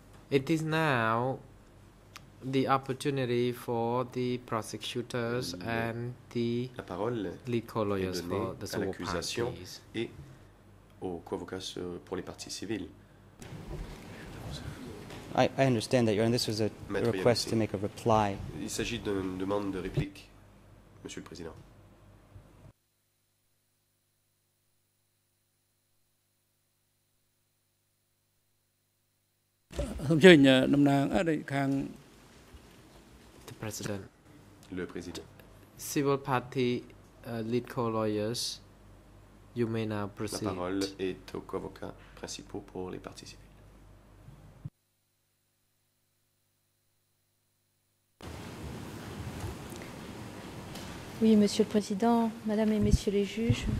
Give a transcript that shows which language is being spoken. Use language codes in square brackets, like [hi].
[en] It is now the opportunity for the prosecutors and the legal lawyers for the civil parties. [fr] Et aux convocats pour les parties civiles. [en] I understand that, Your Honor, this was a request to make a reply. [fr] Il s'agit d'une demande de réplique, Monsieur le Président. [en] The President. [fr] Le Président. [en] Civil party lead co-lawyers, you may now proceed. [fr] La parole est aux co-avocats principaux pour les parties civiles. Oui, Monsieur le Président, Madame et Messieurs les juges,